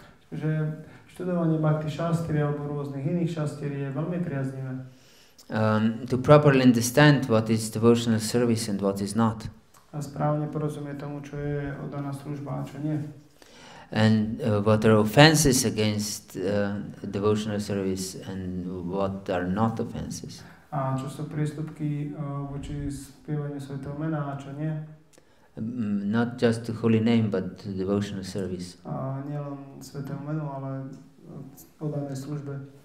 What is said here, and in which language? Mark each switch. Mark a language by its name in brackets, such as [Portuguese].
[Slovak] Že študovanie bhakti shastri alebo rôznych iných šastier je veľmi priaznivé. [English] To properly understand what is devotional service and what is not. [Slovak] A správne porozumieť tomu, čo je oddaná služba a čo nie. [English] And what are offenses against devotional service and what are not offenses. [Slovak] A čo sú prístupky voči spievaniu svätého mena a čo nie? [English] Not just the holy name, but the devotional service. [Slovak] A nielen svätého menu, ale podanej službe.